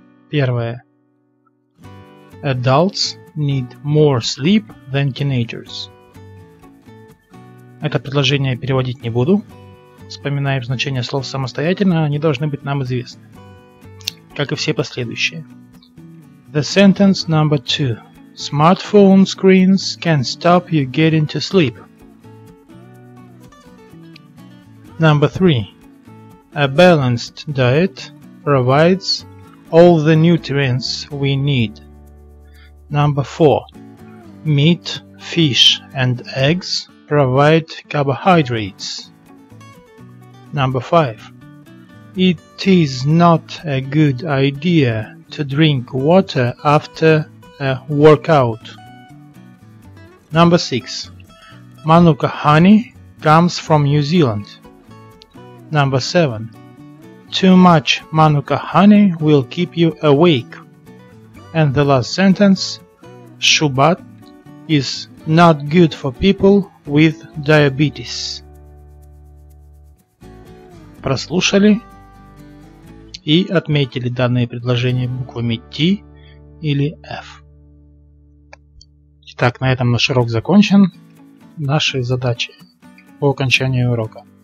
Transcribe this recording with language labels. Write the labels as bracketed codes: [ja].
[ru] Первое. [en] Adults need more sleep than teenagers. [ru] Это предложение переводить не буду. Вспоминаем значение слов самостоятельно, они должны быть нам известны. Как и все последующие. [en] The sentence number two. Smartphone screens can stop you getting to sleep. Number three. A balanced diet provides all the nutrients we need. Number four. Meat, fish and eggs provide carbohydrates. Number five. It is not a good idea to drink water after a workout. Number six. Manuka honey comes from New Zealand. Number seven. Too much Manuka honey will keep you awake. And the last sentence. Shubat is not good for people with diabetes. [ru] Прослушали и отметили данные предложения буквами T или F. Итак, на этом наш урок закончен. Наши задачи по окончанию урока.